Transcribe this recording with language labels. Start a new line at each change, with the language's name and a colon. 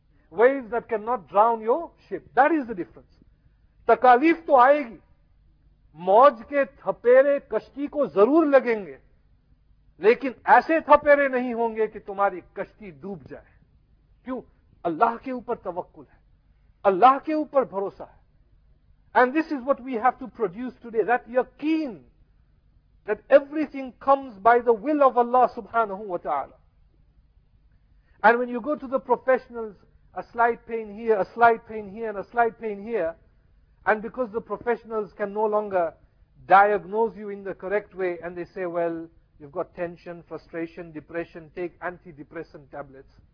English: Waves that cannot drown your ship. That is the difference.
Urdu: تکالیف تو آئے گی, موج کے تھپیرے کشتی کو ضرور لگیں گے, لیکن ایسے تھپیرے نہیں ہوں گے کہ تمہاری کشتی ڈوب جائے. کیوں؟ اللہ کے اوپر توکل ہے, اللہ کے اوپر بھروسہ ہے.
English: And this is what we have to produce today, that yaqeen that everything comes by the will of Allah subhanahu wa ta'ala. And when you go to the professionals, a slight pain here, a slight pain here, and a slight pain here, and because the professionals can no longer diagnose you in the correct way, and they say, well, you've got tension, frustration, depression, take antidepressant tablets.